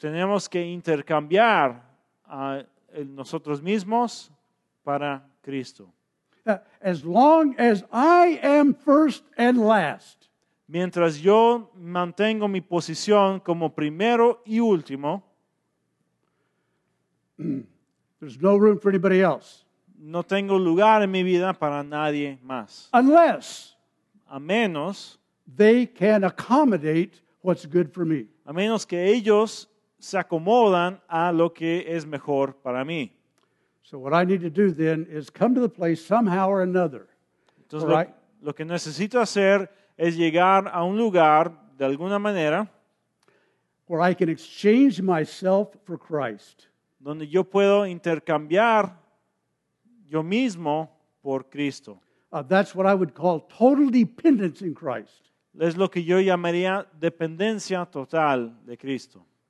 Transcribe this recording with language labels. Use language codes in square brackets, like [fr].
[es] Tenemos que intercambiar a nosotros mismos para Cristo. [en] As long as I am first and last, [es] mientras yo mantengo mi posición como primero y último, [en] there's no room for anybody else. [es] No tengo lugar en mi vida para nadie más. [en] Unless, [es] a menos, [en] they can accommodate what's good for me. [es] A menos que ellos se acomodan a lo que es mejor para mí. [en] So what I need to do then is come to the place somehow or another. [es] Entonces, lo que necesito hacer es llegar a un lugar de alguna manera [en] where I can exchange myself for Christ. [es] Donde yo puedo intercambiar yo mismo por Cristo. [en] That's what I would call total dependence in Christ. [es] Es lo que yo llamaría dependencia total de Cristo.